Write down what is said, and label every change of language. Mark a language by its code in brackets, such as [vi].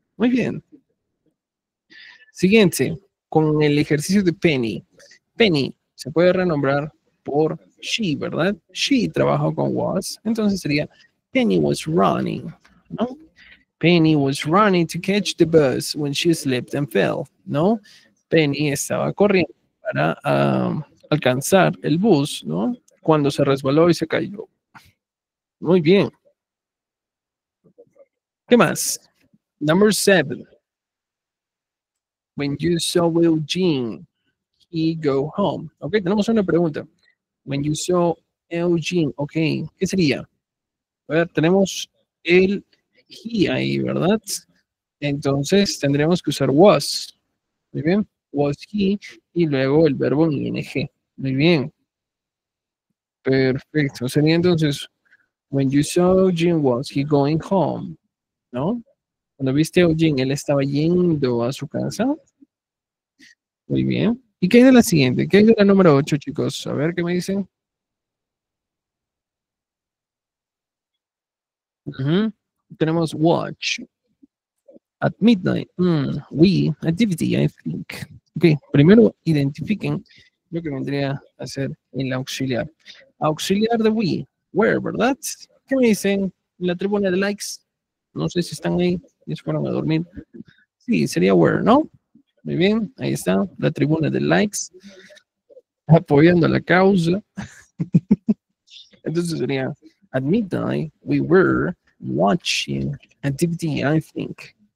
[es] Muy bien. Siguiente, con el ejercicio de Penny. Penny se puede renombrar por she, ¿verdad? She trabajó con was. Entonces sería Penny [en] was running, [es] ¿no? [en] Penny was running to catch the bus when she slipped and fell, ¿no? [es] Penny estaba corriendo para alcanzar el bus, ¿no? Cuando se resbaló y se cayó. Muy bien. ¿Qué más? [en] Number seven. When you saw Eugene, he go home. [es] Ok, tenemos una pregunta. [en] When you saw Eugene, [es] ok, ¿qué sería? A ver, tenemos el he ahí, ¿verdad? Entonces tendríamos que usar was. Muy bien. [en] Was he, [es] y luego el verbo en ing. Muy bien. Perfecto. Sería entonces, [en] when you saw Eugene, was he going home? [es] ¿No? Cuando viste a Eugene, él estaba yendo a su casa. Muy bien. ¿Y qué hay de la siguiente? ¿Qué hay de la número 8, chicos? A ver qué me dicen. Tenemos [en] watch. At midnight. We activity, I think. [es] Ok, primero identifiquen lo que vendría a ser el auxiliar. Auxiliar de we, where, ¿verdad? ¿Qué me dicen? La tribuna de likes. No sé si están ahí, ya se fueron a dormir. Sí, sería where, ¿no? Muy bien, ahí está, la tribuna de likes. Apoyando la causa. Entonces sería, [en] at midnight, we were watching activity, I think.